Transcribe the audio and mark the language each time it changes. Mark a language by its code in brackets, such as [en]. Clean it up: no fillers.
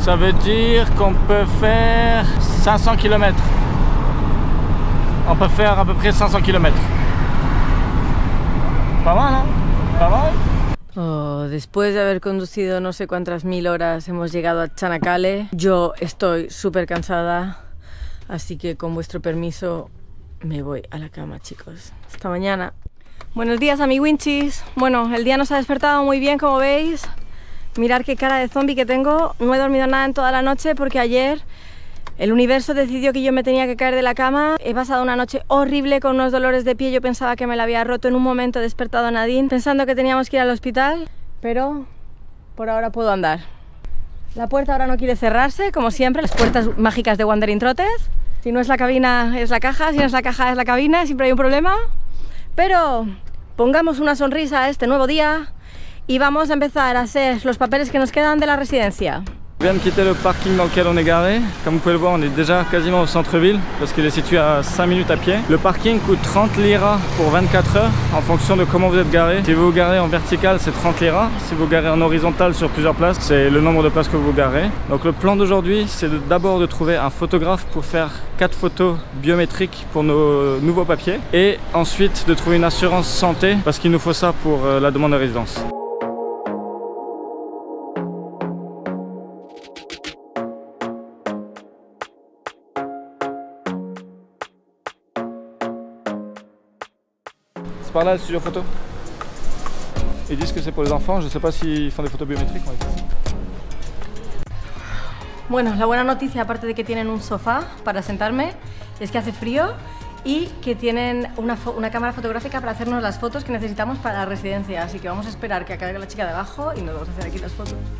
[fr] Ça veut dire qu'on peut faire 500 kilómetros. On peut faire à peu près 500 kilómetros. Pas mal, hein? Pas mal? [es] Oh, después de haber conducido no sé cuántas mil horas hemos llegado a Çanakkale. Yo estoy súper cansada, así que con vuestro permiso me voy a la cama, chicos. Hasta mañana. Buenos días, amiguinchis. Bueno, el día nos ha despertado muy bien, como veis. Mirad qué cara de zombie que tengo. No he dormido nada en toda la noche porque ayer el universo decidió que yo me tenía que caer de la cama. He pasado una noche horrible con unos dolores de pie. Yo pensaba que me la había roto. En un momento he despertado a Nadine pensando que teníamos que ir al hospital. Pero por ahora puedo andar. La puerta ahora no quiere cerrarse, como siempre. Las puertas mágicas de Wandering Trotters. Si no es la cabina, es la caja. Si no es la caja, es la cabina. Siempre hay un problema. Pero pongamos una sonrisa a este nuevo día y vamos a empezar a hacer los papeles que nos quedan de la residencia. [fr] On vient de quitter le parking dans lequel on est garé. Comme vous pouvez le voir, on est déjà quasiment au centre-ville parce qu'il est situé à 5 minutes à pied. Le parking coûte 30 liras pour 24 heures en fonction de comment vous êtes garé. Si vous vous garez en vertical, c'est 30 liras. Si vous garez en horizontal sur plusieurs places, c'est le nombre de places que vous garez. Donc le plan d'aujourd'hui, c'est d'abord de trouver un photographe pour faire 4 photos biométriques pour nos nouveaux papiers et ensuite de trouver une assurance santé parce qu'il nous faut ça pour la demande de résidence. Par là, le studio photo. Ils disent que c'est pour les enfants. Je ne sais pas s'ils font des photos biométriques. En fait. [es] Bueno, la buena noticia, aparte de que tienen un sofá para sentarme, es que hace frío y que tienen una cámara fotográfica para hacernos las fotos que necesitamos para la residencia. Así que vamos a esperar que acabe la chica de abajo y nos vamos a hacer aquí las fotos.